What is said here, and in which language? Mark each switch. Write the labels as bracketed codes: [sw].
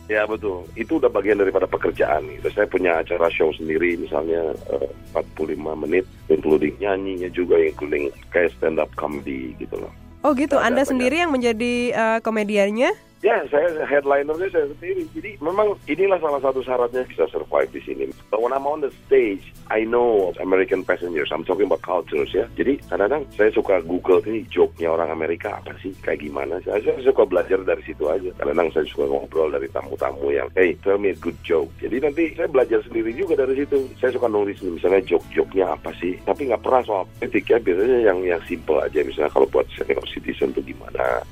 [id] Ya betul, itu udah bagian daripada pekerjaan. Saya punya acara show sendiri misalnya 45 menit, including nyanyinya juga, including kayak stand up comedy gitu loh. Oh gitu, nah, Anda sendiri yang menjadi komediannya? Ya, saya headlinernya saya sendiri. Jadi memang inilah salah satu syaratnya bisa survive di sini. [en] But when I'm on the stage, I know American passengers. I'm talking about cultures ya. [id] Jadi kadang-kadang saya suka Google ini joke-nya orang Amerika apa sih, kayak gimana. Saya suka belajar dari situ aja. Kadang-kadang saya suka ngobrol dari tamu-tamu yang, [en] hey, tell me a good joke. [id] Jadi nanti saya belajar sendiri juga dari situ. Saya suka nulis misalnya joke-joke-nya apa sih. Tapi nggak pernah soal politik ya. Biasanya yang simple aja. Misalnya kalau buat senior citizen itu gimana.